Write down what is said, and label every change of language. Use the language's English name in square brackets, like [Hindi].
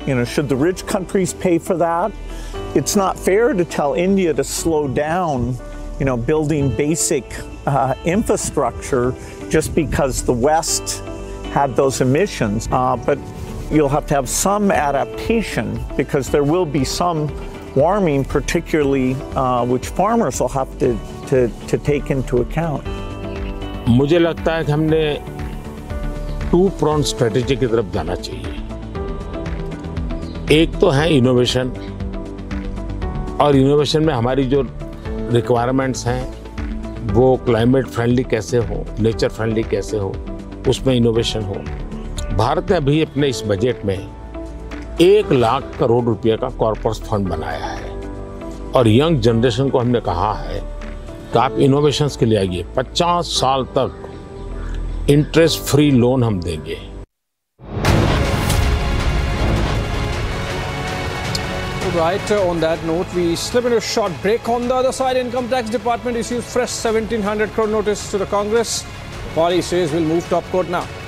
[English] You know, should the rich countries pay for that? It's not fair to tell India to slow down, you know, building basic infrastructure just because the West had those emissions. But you'll have to have some adaptation, because there will be some warming, particularly which farmers will have to take into account. [Hindi] मुझे लगता है कि हमने to prong strategy की तरफ जाना चाहिए. एक तो है इनोवेशन, और इनोवेशन में हमारी जो रिक्वायरमेंट्स हैं वो क्लाइमेट फ्रेंडली कैसे हो, नेचर फ्रेंडली कैसे हो, उसमें इनोवेशन हो. भारत ने अभी अपने इस बजट में 1,00,000 करोड़ रुपये का कॉर्पोरेट फंड बनाया है, और यंग जनरेशन को हमने कहा है कि आप इनोवेशंस के लिए आइए, 50 साल तक इंटरेस्ट फ्री लोन हम देंगे. [English] Right, on that note, we slip in a short break. On the other side, Income Tax Department issues fresh 1,700 crore notice to the Congress. Party says we'll move top court now.